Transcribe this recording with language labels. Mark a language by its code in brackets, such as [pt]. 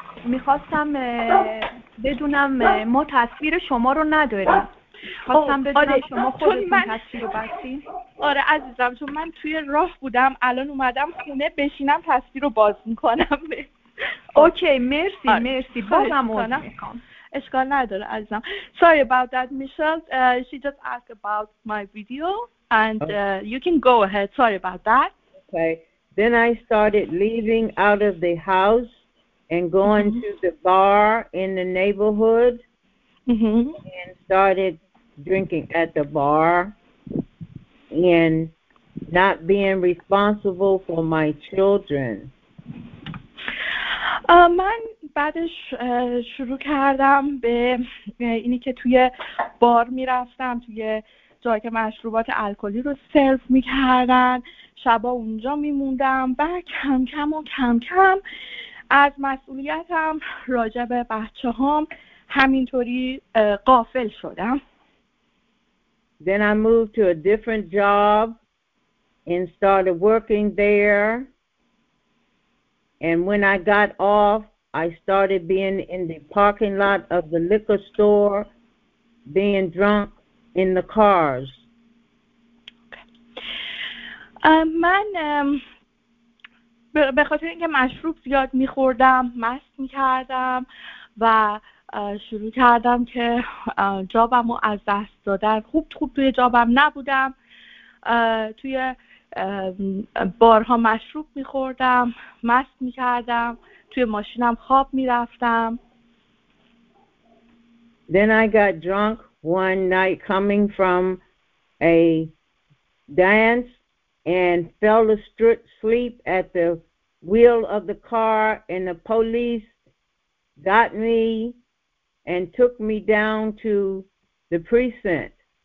[fa] می خواستم بدونم ما تصویر شما رو نداریم. خواستم بدونم آره. شما خودتون تصویر رو بستین؟ آره عزیزم، چون من توی راه بودم الان اومدم خونه بشینم تصویر رو باز میکنم. اوکی مرسی. آره. مرسی بازم اون میکنم، اشکال نداره عزیزم. [en] Sorry about that Michelle, she just asked about my video and you can go ahead, sorry about that. Okay, then I started leaving out of the house and going to the bar in the neighborhood. And started drinking at the bar and not being responsible for my children. [fa] من بعدش شروع کردم به اینی که توی بار می رفتم، توی جایی که مشروبات الکلی رو سرو می کردن، شبا اونجا می موندم و کم کم و کم کم از مسئولیتم راجع به بچه هام همینطوری غافل شدم. [en] Then I moved to a different job and started working there. And when I got off, I started being in the parking lot of the liquor store, being drunk in the cars. [fa] من به خاطر اینکه مشروب زیاد می‌خوردم، مست می‌کردم و شروع کردم که جابم رو از دست دادم. خوب توی جابم نبودم، توی بارها مشروب میخوردم، مست میکردم، توی ماشینم خواب میرفتم. [en] Then I got drunk one night coming from a dance and fell asleep at the wheel of the car and the police got me and took me down to the precinct.